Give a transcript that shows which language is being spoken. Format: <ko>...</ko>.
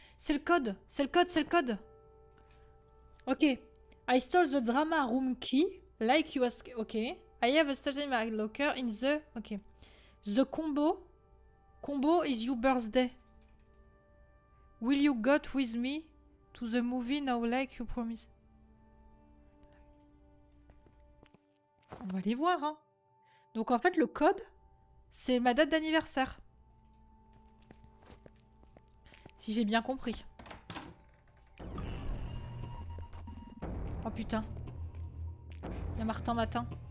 <fr>C'est le code, c'est le code, c'est le code. Ok.</fr> <en>I stole the drama room key, like you ask. Ok. I have a stash in my locker in the. Ok. The combo. Combo is your birthday. Will you go with me to the movie now, like you promise?</en> <fr>On va aller voir, hein. Donc en fait, le code, c'est ma date d'anniversaire. Si j'ai bien compris. Oh putain. Il y a Martin Matin.</fr>